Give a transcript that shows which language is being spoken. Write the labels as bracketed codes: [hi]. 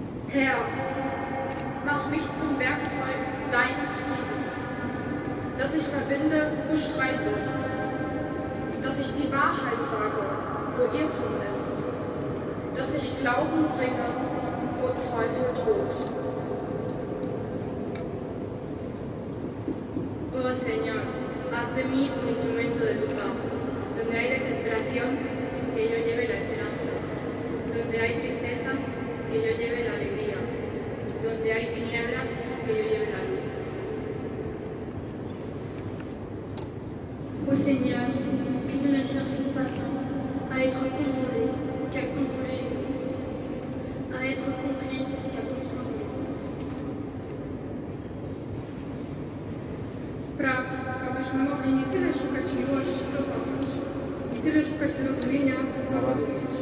[de] Herr, mach mich zum Werkzeug deines Friedens, dass ich verbinde, wo Streit ist, dass ich die Wahrheit sage, wo Irrtum ist, dass ich Glauben bringe, wo Zweifel droht. [es] Oh Señor, haz de mí un instrumento de tu paz, donde hay desesperación, que yo lleve la esperanza, donde hay tristeza, que yo lleve la alegría. Donde hay tinieblas, que yo lleve la luz. Oh Señor, que yo no [fr] cherche pas a être consolé, qu'à consoler, a être compris, qu'à comprendre. [pl] Spraw, abyśmy mogli nie tyle szukać miłości, co pomóc, nie tyle szukać zrozumienia, co rozumieć.